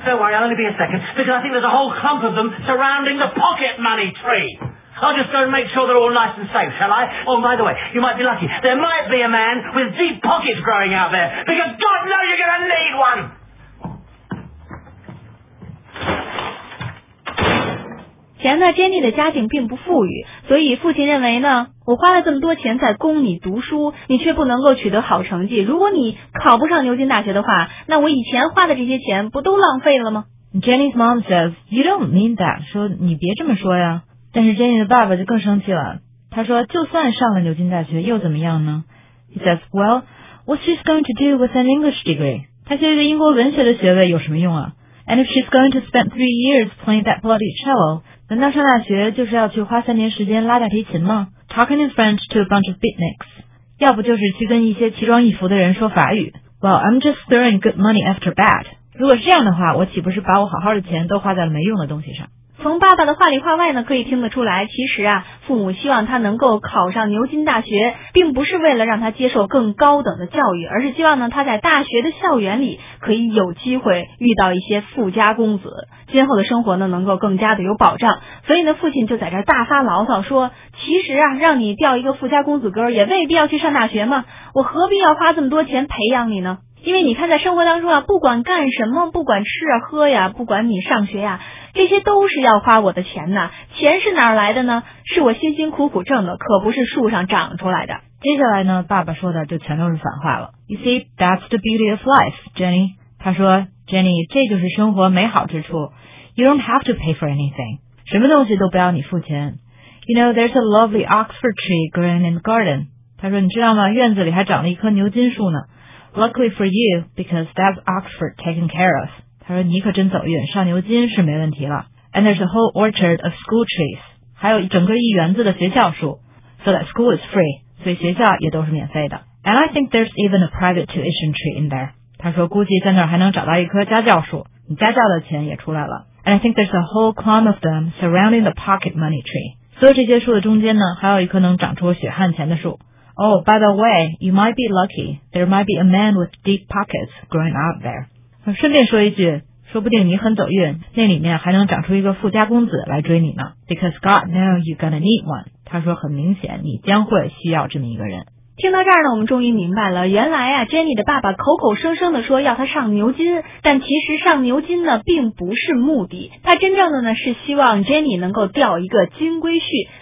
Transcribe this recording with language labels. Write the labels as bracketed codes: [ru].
[en] Don't worry, I'll only be a second, because I think there's a whole clump of them surrounding the pocket money tree. I'll just go and make sure they're all nice and safe, shall I? Oh, by the way, you might be lucky. There might be a man with deep pockets growing out there, because God knows you're going to need one! [zh] 钱呢 ，Jenny 的家境并不富裕，所以父亲认为呢，我花了这么多钱在供你读书，你却不能够取得好成绩。如果你考不上牛津大学的话，那我以前花的这些钱不都浪费了吗 [en] ？Jenny's mom says, "You don't mean that." [zh] 说你别这么说呀。但是 Jenny 的爸爸就更生气了，他说，就算上了牛津大学又怎么样呢 ？ [en] He says, "Well, what's she going to do with an English degree?" [zh] 她学一个英国文学的学位有什么用啊 ？ [en] And if she's going to spend 3 years playing that bloody cello? [zh] 难道上大学就是要去花3年时间拉大提琴吗 ？ [en] Talking in French to a bunch of beatniks， [zh] 要不就是去跟一些奇装异服的人说法语。 [en] Well, I'm just throwing good money after bad。 [zh] 如果是这样的话，我岂不是把我好好的钱都花在了没用的东西上？从爸爸的话里话外呢，可以听得出来，其实啊，父母希望他能够考上牛津大学，并不是为了让他接受更高等的教育，而是希望呢，他在大学的校园里可以有机会遇到一些富家公子，今后的生活呢，能够更加的有保障。所以呢，父亲就在这大发牢骚说，其实啊，让你钓一个富家公子哥，也未必要去上大学嘛，我何必要花这么多钱培养你呢？因为你看，在生活当中啊，不管干什么，不管吃啊喝呀，不管你上学呀，这些都是要花我的钱呐。钱是哪儿来的呢？是我辛辛苦苦挣的，可不是树上长出来的。接下来呢，爸爸说的就全都是反话了。 [en] You see, that's the beauty of life, Jenny. [zh] 他说 ，Jenny， 这就是生活美好之处。 [en] You don't have to pay for anything. [zh] 什么东西都不要你付钱。 [en] You know, there's a lovely Oxford tree growing in the garden. [zh] 他说，你知道吗？院子里还长了一棵牛津树呢。 [en] Luckily for you, because that's Oxford taken care of. [zh] 他说你可真走运，上牛津是没问题了。 [en] And there's a whole orchard of school trees. [zh] 还有整个一园子的学校树。 [en] So that school is free. [zh] 所以学校也都是免费的。 [en] And I think there's even a private tuition tree in there. [zh] 他说估计在那儿还能找到一棵家教树。你家教的钱也出来了。 [en] And I think there's a whole clump of them surrounding the pocket money tree. [zh] 所有这些树的中间呢，还有一棵能长出血汗钱的树。 [en] Oh, by the way, you might be lucky. There might be a man with deep pockets growing out there. [zh] 顺便说一句，说不定你很走运，那里面还能长出一个富家公子来追你呢。 [en] Because God knows you're gonna need one. [zh] 他说很明显，你将会需要这么一个人。听到这儿呢，我们终于明白了，原来啊 ，Jenny 的爸爸口口声声的说要他上牛津，但其实上牛津呢并不是目的，他真正的呢是希望 Jenny 能够钓一个金龟婿。